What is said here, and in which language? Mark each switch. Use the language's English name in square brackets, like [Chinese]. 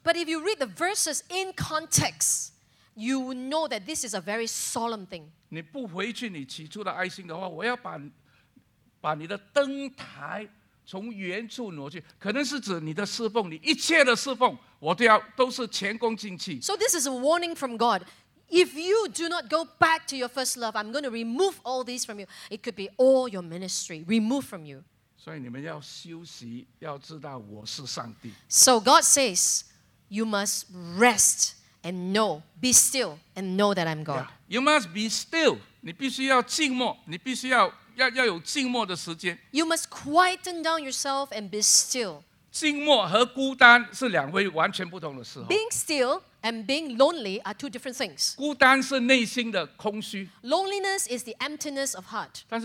[English] But if you read the verses in context, you know that this is a very solemn thing. [Chinese] 你不回去你起初的爱心的话，我要把你的灯台从原处挪去。可能是指你的侍奉，你一切的侍奉，我都要都是前功尽弃。So [English] this is a warning from God. If you do not go back to your first love, I'm going to remove all these from you. It could be all your ministry, remove from you. [Chinese] 所以你们要休息，要知道我是上帝。So [English] God says, you must rest. And know, be still, and know that I'm God. Yeah, you must be still. [Chinese] 你必须要静默，你必须要有静默的时间。 [English] You must quieten down yourself and be still. [Chinese] 静默和孤单是两回完全不同的时候。 [English] Being still and being lonely are two different things. [Chinese] 孤单是内心的空虚。 [English] Loneliness is the emptiness of heart.